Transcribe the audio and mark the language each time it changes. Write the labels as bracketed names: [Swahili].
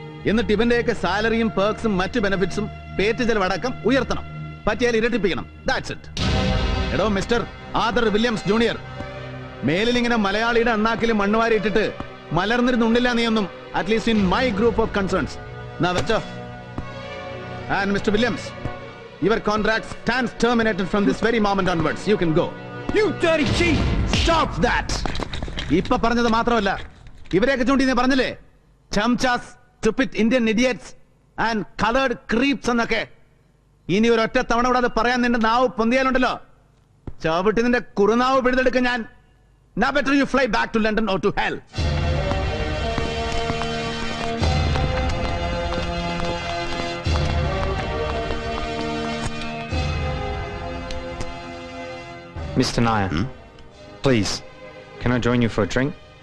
[Malayalam] എന്നിട്ട് ഇവന്റെയൊക്കെ സാലറിയും പേർക്സും മറ്റ് ബെനഫിറ്റ്സും പേറ്റ് ചെലവടക്കം ഉയർത്തണം. പറ്റിയാൽ ഇരട്ടിപ്പിക്കണം. [English] That's it. [Malayalam] എടോ മിസ്റ്റർ ആദർ വില്യംസ് ജൂനിയർ, മേലിലിങ്ങനെ മലയാളിയുടെ അണ്ണാക്കിൽ മണ്ണുവാരിയിട്ടിട്ട് മലർന്നിരുന്നുണ്ടില്ല നീയൊന്നും. [English] At least in my group of concerns വെച്ചോ. And mister Williams, your contract stands terminated from this very moment onwards. You can go. You dirty cheat! Stop that! [Malayalam] ഇപ്പോ പറഞ്ഞത് മാത്രമല്ല, ഇവരെയൊക്കെ ചൂണ്ടി നീ പറഞ്ഞില്ലേ ചംചാസ്, [English] stupid Indian idiots and coloured creeps [Malayalam] എന്നൊക്കെ. ഇനി ഒരു ഒറ്റ തവണ കൂടെ അത് പറയാൻ നിന്റെ നാവ് പൊന്തിയാലുണ്ടല്ലോ ചവിട്ടി നിന്റെ കുറുനാവ് പിടിതെടുക്കും ഞാൻ. [English] Now better you fly back to London or to hell. Mr. Nair, please, can I join you for a drink?